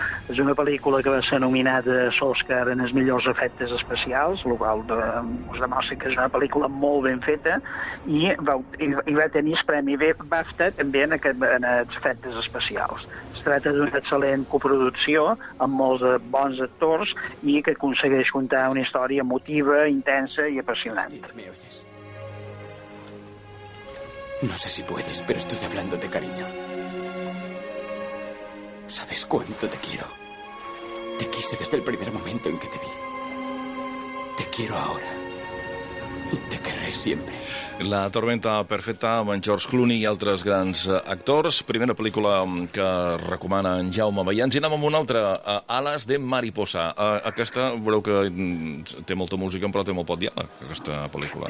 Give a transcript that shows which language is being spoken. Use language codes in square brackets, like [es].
[ca] És una pel·lícula que va ser nominada a l'Oscar en els millors efectes especials, el qual us demostra que és una pel·lícula molt ben feta, i va tenir el premi BAFTA també en els efectes especials. Es tracta d'una excel·lent coproducció amb molts bons actors i que aconsegueix contar una història emotiva, intensa i apassionant. [es] No sé si puedes, pero estoy hablando de cariño. ¿Sabes cuánto te quiero? Te quise desde el primer momento en que te vi. Te quiero ahora. Y te querré siempre. [ca] La Tormenta Perfecta amb George Clooney i altres grans actors. Primera pel·lícula que recomana en Jaume Maians. I anem amb una altra, Ales de Mariposa. Aquesta veureu que té molta música, però té molt poc diàleg, aquesta pel·lícula.